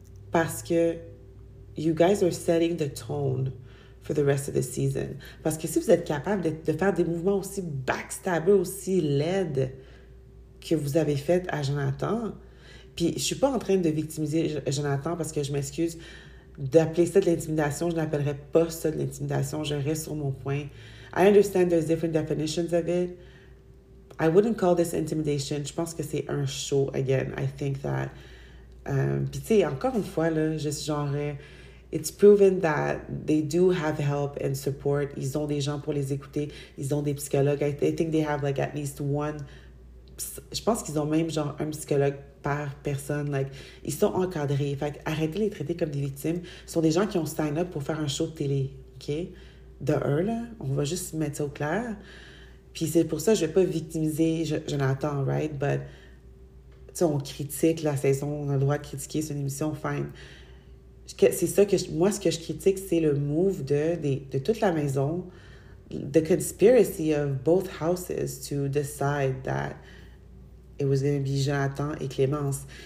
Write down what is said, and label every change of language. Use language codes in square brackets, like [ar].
[fr] Parce que [en] you guys are setting the tone for the rest of the season. [fr] Parce que si vous êtes capable de faire des mouvements aussi backstabbers, aussi laids, que vous avez fait à Jonathan. Puis, je ne suis pas en train de victimiser Jonathan parce que je m'excuse d'appeler ça de l'intimidation. Je n'appellerai pas ça de l'intimidation. Je reste sur mon point. [en] I understand there's different definitions of it. [fr] I wouldn't call this intimidation. Je pense que c'est un show, again. I think that. Puis, tu sais, encore une fois, là, je suis genre. [en] It's proven that they do have help and support. [fr] Ils ont des gens pour les écouter. Ils ont des psychologues. [en] I think they have, like, at least one. [fr] Je pense qu'ils ont même genre un psychologue par personne. Like, ils sont encadrés. Fait, arrêtez de les traiter comme des victimes. Ce sont des gens qui ont sign up pour faire un show de télé. Okay? De un, là, on va juste mettre ça au clair. Puis c'est pour ça que je ne vais pas victimiser Jonathan, right? But, tu sais, on critique la saison, on a le droit de critiquer, c'est une émission, fine. C'est ça que moi, ce que je critique, c'est le move de toute la maison. [en] The conspiracy of both houses to decide that it was going to be Jonathan et Clémence.